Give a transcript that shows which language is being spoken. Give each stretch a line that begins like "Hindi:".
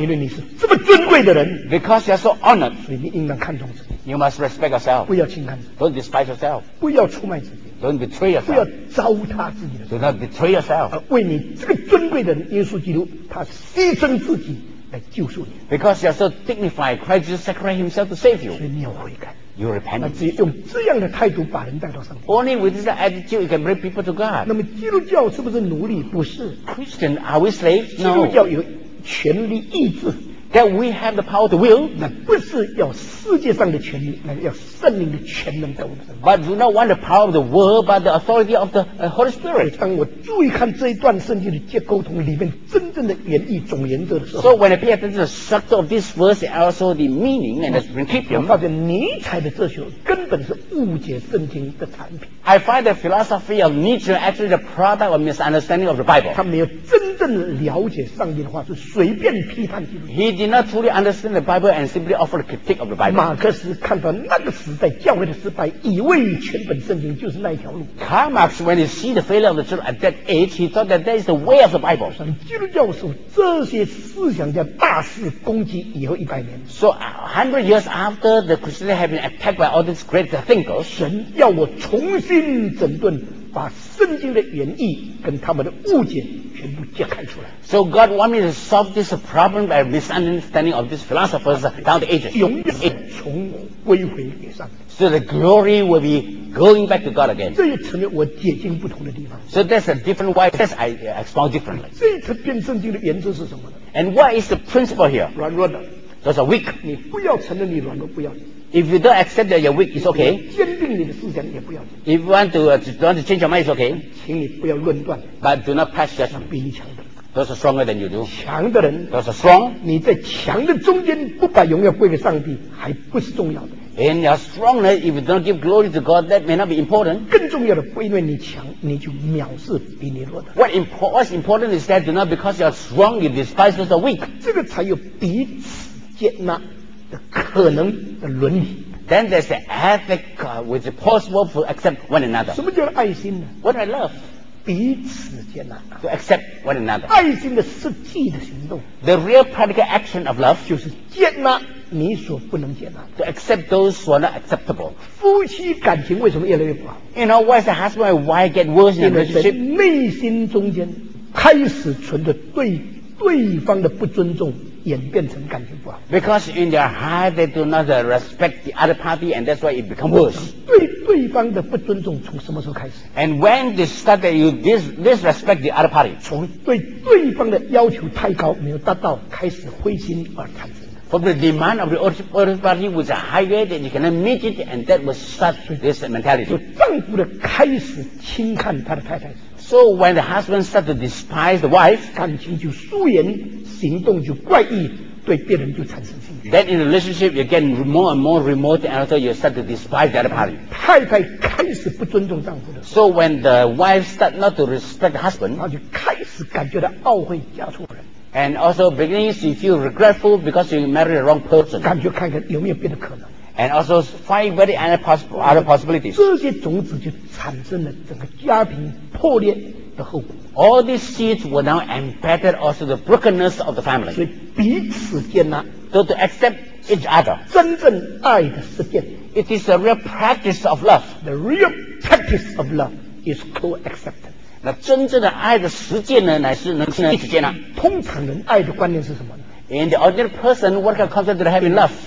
Chinese: 因为你是这么尊贵的人。
English: Because you are so honored.
Chinese: 所以你应当看重自己。
English: You must respect yourself.
Chinese: 不要轻看自己。
English: Don't despise yourself.
Chinese: 不要出卖自己。
English: Don't betray yourself.
Chinese: 不要糟蹋自己的。
English: Do not betray yourself.
Chinese: 而为你这个尊贵的人，耶稣基督，他牺牲自己来救赎你。
English: Because you are so dignified, Christ Jesus sacrificed himself to save you.
Chinese: 所以你要悔改。
English: You repent.
Chinese: 那只有用这样的态度把人带到上帝。
English: Only with this attitude you can bring people to God.
Chinese: 那么基督教是不是奴隶？不是。
English: Christian, are we slaves? No.
Chinese: 基督教有权力意志。
English: That we have the power to will.
Chinese: 那不是要世界上的权力，那要圣灵的权能在我们身上。
English: But do not want the power of the world, but the authority of the Holy Spirit.
Chinese: 当我注意看这一段圣经的结构同里面真正的原意总原则的时候
English: ，So when I pay attention to the structure of this verse and also the meaning and the principle,
Chinese: 我发现尼采的哲学根本是误解圣经的产品。
English: I find the philosophy of Nietzsche actually the product of misunderstanding of the Bible.
Chinese: 他没有真正了解上帝的话，是随便批判基督。
English: He did not truly understand the Bible and simply offer a critique of the Bible.
Chinese: 马克思看到那个时代教会的失败，以为全本圣经就是那一条路。
English: Karl Marx, when he see the failure of the church at that age, he thought that that is the way of the Bible.
Chinese: 所以基督教受这些思想家大肆攻击以后一百年。
English: So 100 years after the Christianity had been attacked by all these great thinkers,
Chinese: 神要我重新整顿。把圣经的原意跟他们的误解全部揭开出来。
English: So God wants me to solve this problem by misunderstanding of these philosophers down the ages.
Chinese: 永远从归回给上帝。
English: So the glory will be going back to God again.
Chinese: 这也成为我解经不同的地方。
English: So that's a different way. That's I expound differently.
Chinese: 这一次变圣经的原则是什么呢
English: ？And what is the principle here?
Chinese: 软弱的。
English: Those are weak.
Chinese: 你不要承认你软弱，不要。
English: If you don't accept that you're weak, it's okay.
Chinese: 坚定你的思想也不要紧。
English: If you want to don't change your mind, it's okay.
Chinese: 请你不要论断。
English: But do not pass judgment.
Chinese: 比你强的人。
English: Those are stronger than you do.
Chinese: 强的人。
English: Those are strong.
Chinese: 你在强的中间不把荣耀归给上帝，还不是重要的。
English: And your strongness, if you don't give glory to God, that may not be important.
Chinese: 更重要的，不因为你强，你就藐视比你弱的。
English: What's important is that do not because you're strong, you despise those are weak.
Chinese: 这个才有彼此接纳。的可能的伦理
English: Then there's the ethic which is possible to accept one another.
Chinese: 什么叫爱心呢？
English: What is love?
Chinese: 彼此接纳。
English: To accept one another.
Chinese: 爱心的实际的行动。
English: The real practical action of love.
Chinese: 就是接纳你所不能接纳。
English: To accept those who are not acceptable.
Chinese: 夫妻感情为什么越来越不好？
English: You know, why is the husband and wife get worse in the relationship?
Chinese: 内心中间开始存着对对方的不尊重。演变成感情不好
English: because in their heart they do not respect the other party and that's why it becomes worse
Chinese: 对对方的不尊重从什么时候开始
English: and when they start that you disrespect the other party
Chinese: 从对对方的要求太高没有达到开始灰心而产生
English: from the demand of the other party was higher than you cannot meet it and that was start this mentality
Chinese: 就丈夫的开始轻看他的太太
English: so when the husband start to despise the wife
Chinese: 感情就疏远行动就怪异，对别人就产生兴趣。
English: Then in relationship you get more and more remote, and also you start to despise the other party.
Chinese: 太太开始不尊重丈夫的。
English: So when the wife start not to respect the husband,
Chinese: 她就开始感觉到懊悔嫁错人。
English: And also begins you feel regretful because you married the wrong person.
Chinese: 感觉看看有没有别的可能。
English: And also find very other possibilities.
Chinese: 这些种子就产生了整个家庭破裂。
English: All these seeds were now embedded also the brokenness of the family.
Chinese: 所以彼此接纳
English: so to accept each other.
Chinese: 真正爱的实践
English: it is a real practice of love. The real practice of love is co-acceptance.
Chinese: 那真正的爱的实践呢乃是能一起接纳通常人爱的观念是什么呢
English: in the ordinary person what kind of concept do they have in love?